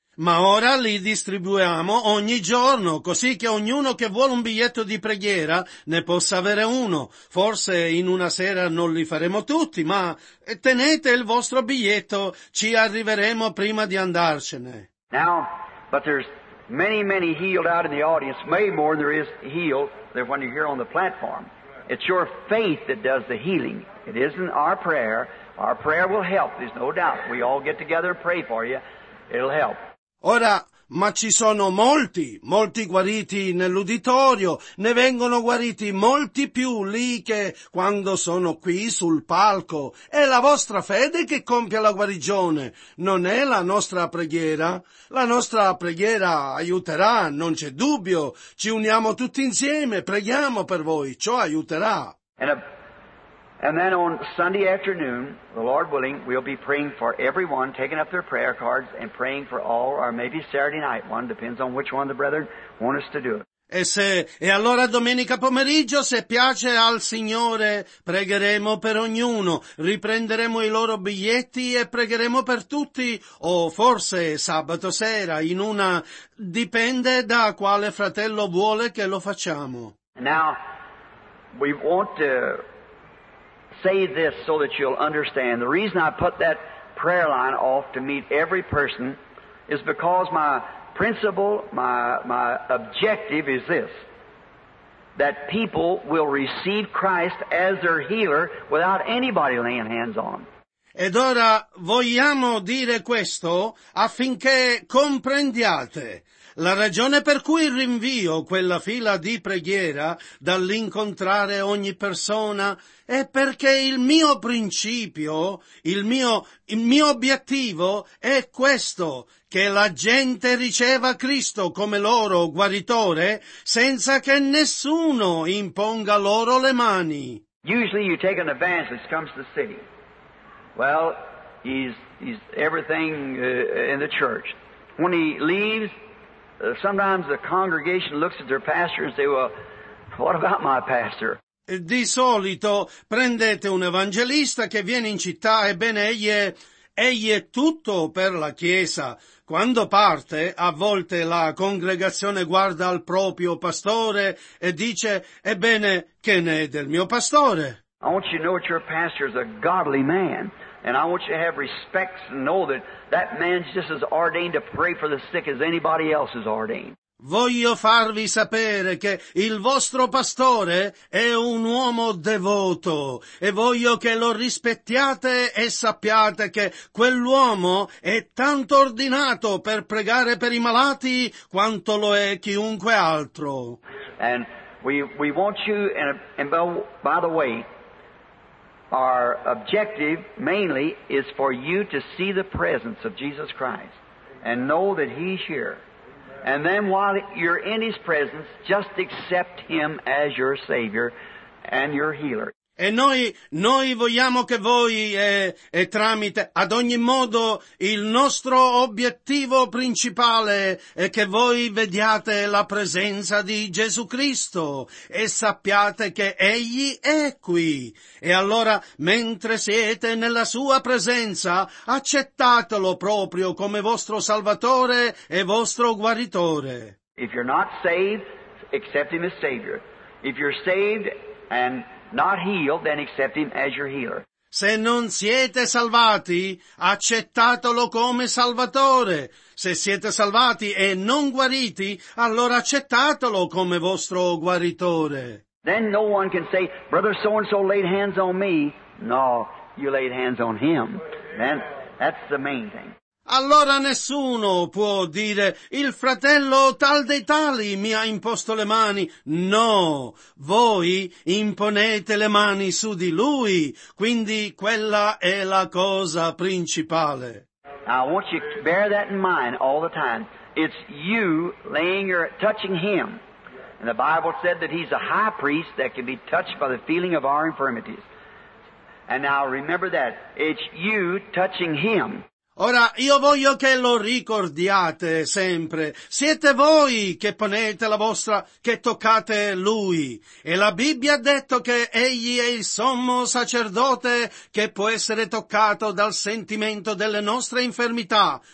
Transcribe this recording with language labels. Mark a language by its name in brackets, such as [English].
[Italian] Ma ora li distribuiamo ogni giorno, così che ognuno che vuole un biglietto di preghiera ne possa avere uno. Forse in una sera non li faremo tutti, ma tenete il vostro biglietto, ci arriveremo prima di andarcene. [English] Now, but there's many, many healed out in the audience, way more than there is healed than when you're here on the platform. It's your faith that does the healing. It isn't our prayer. Our prayer will help, there's no doubt. We all get together and pray for you. It'll help. [Italian] Ora, ma ci sono molti, molti guariti nell'uditorio. Ne vengono guariti molti più lì che quando sono qui sul palco. È la vostra fede che compie la guarigione. Non è la nostra preghiera. La nostra preghiera aiuterà, non c'è dubbio. Ci uniamo tutti insieme, preghiamo per voi. Ciò aiuterà. [English] And then on Sunday afternoon, the Lord willing, we'll be praying for everyone, taking up their prayer cards and praying for all, or maybe Saturday night one, depends on which one the brethren want us to do it. [Italian] E allora domenica pomeriggio, se piace al Signore, pregheremo per ognuno, riprenderemo i loro biglietti e pregheremo per tutti, o forse sabato sera, in una, dipende da quale fratello vuole che lo facciamo. [English] Now, we want to say this so that you'll understand. The reason I put that prayer line off to meet every person is because my principle, my objective is this, that people will receive Christ as their healer without anybody laying hands on them. [Italian] Ed ora vogliamo dire questo affinché comprendiate. La ragione per cui rinvio quella fila di preghiera dall'incontrare ogni persona è perché il mio principio, il mio obiettivo è questo, che la gente riceva Cristo come loro guaritore senza che nessuno imponga loro le mani. [English] Usually you take an evangelist comes to the city. Well, he's everything in the church. When he leaves, sometimes the congregation looks at their pastor and say, well, what about my pastor? [Italian] Di solito prendete un evangelista che viene in città, ebbene egli è tutto per la chiesa. Quando parte, a volte la congregazione guarda al proprio pastore e dice, ebbene, che ne è del mio pastore? [English] I want you to know that your pastor is a godly man. And I want you to have respect and know that that man's just as ordained to pray for the sick as anybody else is ordained. [Italian] Voglio farvi sapere che il vostro pastore è un uomo devoto e voglio che lo rispettiate e sappiate che quell'uomo è tanto ordinato per pregare per i malati quanto lo è chiunque altro. [English] And we want you, and by the way, our objective mainly is for you to see the presence of Jesus Christ and know that He's here. And then while you're in His presence, just accept Him as your Savior and your healer. [Italian] E noi vogliamo che voi, e tramite, ad ogni modo, il nostro obiettivo principale è che voi vediate la presenza di Gesù Cristo e sappiate che Egli è qui. E allora, mentre siete nella Sua presenza, accettatelo proprio come vostro Salvatore e vostro guaritore. [English] If you're not saved, accept Him as Savior. If you're saved and not healed, then accept Him as your healer. [Italian] Se non siete salvati, accettatelo come Salvatore. Se siete salvati e non guariti, allora accettatelo come vostro guaritore. [English] Then no one can say, "Brother so and so laid hands on me." No, you laid hands on him. Then that's the main thing. [Italian] Allora nessuno può dire, il fratello tal dei tali mi ha imposto le mani. No, voi imponete le mani su di lui, quindi quella è la cosa principale. [English] I want you to bear that in mind all the time. It's you laying your, touching him. And the Bible said that he's a high priest that can be touched by the feeling of our infirmities. And now remember that, it's you touching him. [Italian] Ora, io voglio che lo ricordiate sempre. Siete voi che ponete la vostra, che toccate Lui. E la Bibbia ha detto che Egli è il sommo sacerdote che può essere toccato dal sentimento delle nostre infermità.